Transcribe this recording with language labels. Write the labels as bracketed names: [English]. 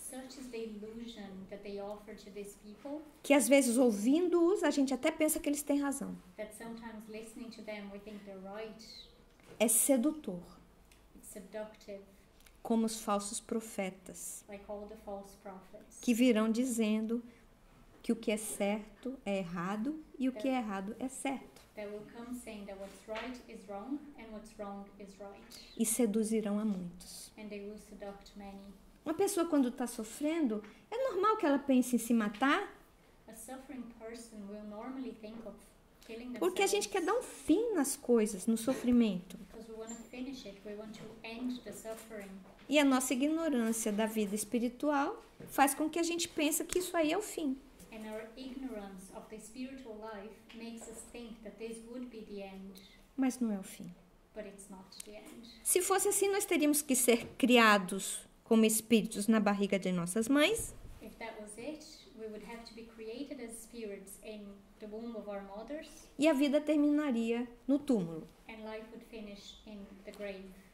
[English] Such is the illusion that they offer to these people. [Portuguese] Que às vezes ouvindo-os, a gente até pensa que eles têm razão. [English] That sometimes listening to them, we think they're right. [Portuguese] É sedutor. [English] It's seductive. [Portuguese] Como os falsos profetas. [English] Like all the false prophets. [Portuguese] Que virão dizendo que o que é certo é errado e o que é errado é certo. [English] They will come saying that what's right is wrong and what's wrong is right. [Portuguese] E seduzirão a muitos. [English] And they will seduct many. [Portuguese] Uma pessoa, quando está sofrendo, é normal que ela pense em se matar? [English] A suffering person will normally think of killing themselves. [Portuguese] Porque a gente quer dar um fim nas coisas, no sofrimento. [English] Because we want to finish it. We want to end the suffering. [Portuguese] E a nossa ignorância da vida espiritual faz com que a gente pense que isso aí é o fim. [English] And our ignorance of the spiritual life makes us think that this would be the end. [Portuguese] Mas não é o fim. [English] But it's not the end. [Portuguese] Se fosse assim, nós teríamos que ser criados como espíritos na barriga de nossas mães. [English] If that was it, we would have to be created as spirits in the womb of our mothers. [Portuguese] E a vida terminaria no túmulo. [English] And life would finish in the grave.